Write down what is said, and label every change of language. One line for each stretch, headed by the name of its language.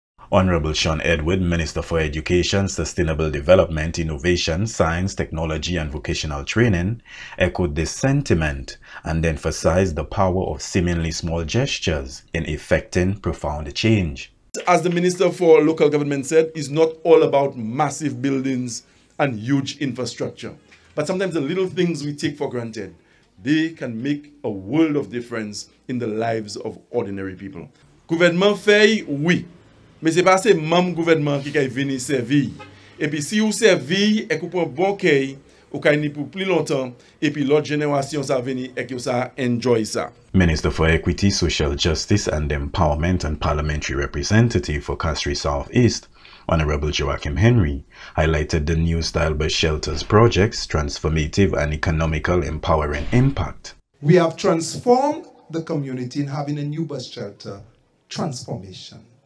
English: Honorable Sean Edward, Minister for Education, Sustainable Development, Innovation, Science, Technology and Vocational Training, echoed this sentiment and emphasized the power of seemingly small gestures in effecting profound change. As the Minister for Local Government said, it's not all about massive buildings and huge infrastructure. But sometimes the little things we take for granted, they can make a world of difference in the lives of ordinary people.
French: Gouvernement fait, oui. Mais c'est pas ce même gouvernement qui est venu servir. Et puis si vous servez et que vous prenez un bon cœur, vous allez venir pour plus longtemps et puis l'autre génération va venir et que vous allez enjoy ça.
English: Minister for Equity, Social Justice and Empowerment and Parliamentary Representative for Castries Southeast, Honorable Joachim Henry, highlighted the new style bus shelters project's transformative and economical empowering impact. We have transformed the community in having a new bus shelter transformation.